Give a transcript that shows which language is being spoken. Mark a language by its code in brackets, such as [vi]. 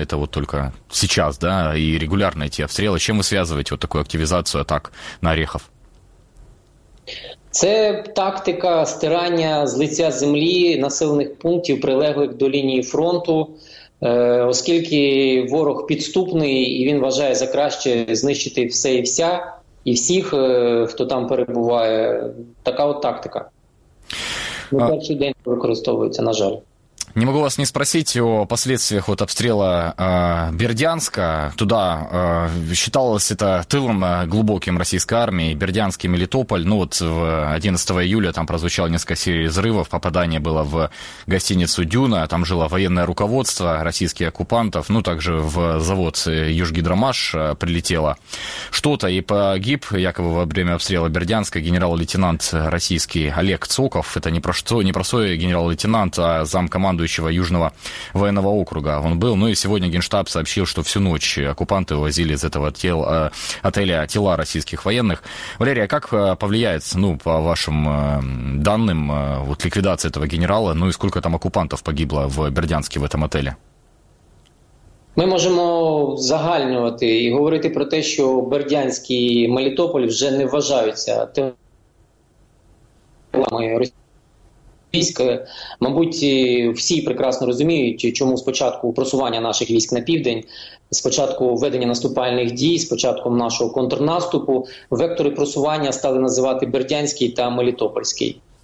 [ru] Это вот только сейчас, да, и регулярно эти обстрелы. Чем вы связываете вот такую активизацию атак на Орехов? [uk] Це тактика стирання з лиця землі населених пунктів, прилеглих до лінії фронту. Оскільки ворог підступний і він вважає за краще знищити все і вся, і всіх, хто там перебуває, така от тактика. На перший день використовується, на жаль. [ru] Не могу вас не спросить о последствиях вот обстрела Бердянска. Туда считалось это тылом глубоким российской армии, Бердянск и Мелитополь. Ну вот 11 июля там прозвучало несколько серий взрывов, попадание было в гостиницу «Дюна», там жило военное руководство российских оккупантов, ну также в завод «Южгидромаш» прилетело что-то, и погиб якобы во время обстрела Бердянска генерал-лейтенант российский Олег Цоков. Это не простой генерал-лейтенант, а замкоманд Южного военного округа он был. Ну и сегодня Генштаб сообщил, что всю ночь оккупанты увозили из этого отеля тела российских военных. Валерия, как повлияет, ну, по вашим данным, вот ликвидация этого генерала, ну и сколько там оккупантов погибло в Бердянске в этом отеле? [uk] Ми можемо загальнювати і говорити про те, що Бердянськ і Мелітополь вже не вважаються телами російських. Військ, мабуть, всі прекрасно розуміють, чому спочатку просування наших військ на південь, спочатку введення наступальних дій, спочатку нашого контрнаступу, вектори просування стали називати Бердянський та Мелітопольський.